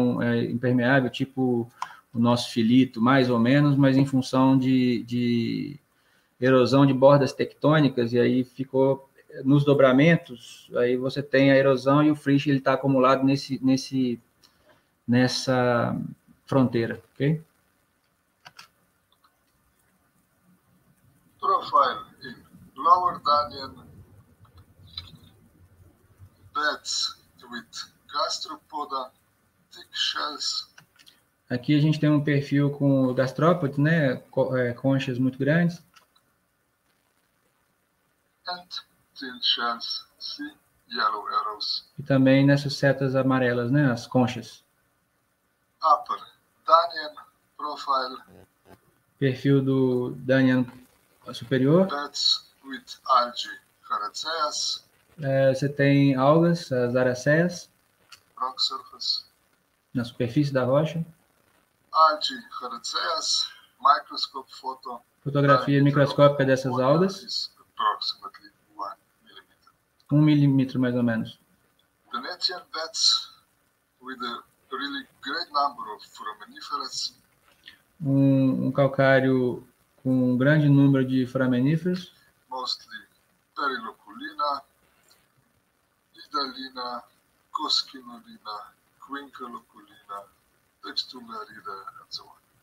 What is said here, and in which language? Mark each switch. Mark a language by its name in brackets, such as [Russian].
[Portuguese] É impermeável, tipo o nosso filito, mais ou menos, mas em função de erosão de bordas tectônicas, e aí ficou nos dobramentos, aí você tem a erosão e o flysch ele está acumulado nessa fronteira, ok? [English] Profile in Lower Danian beds with gastropoda thick shells. [Portuguese] Aqui a gente tem um perfil com gastrópodes, né? Conchas muito grandes. [English] And thin shells, see yellow arrows. [Portuguese] E também nessas setas amarelas, né? As conchas. [English] Upper Danian profile. [Portuguese] Perfil do Danian superior. [English] Beds with algae caraceas. [Portuguese] Você tem algas, as araceias. [English] Rock surface. [Portuguese] Na superfície da rocha. [English] Algae caraceas. Microscope photo. [Portuguese] Fotografia microscópica dessas algas. [English] Approximately 1 millimeter. [Portuguese] 1 millimeter mais ou menos. [English] Danian beds with a really great number of foraminiferous. [Portuguese] Um calcário com um grande número de foraminíferos. [English] Mostly periloculina, idalina, cosquinolina, quinquiloculina, textularida, and so on.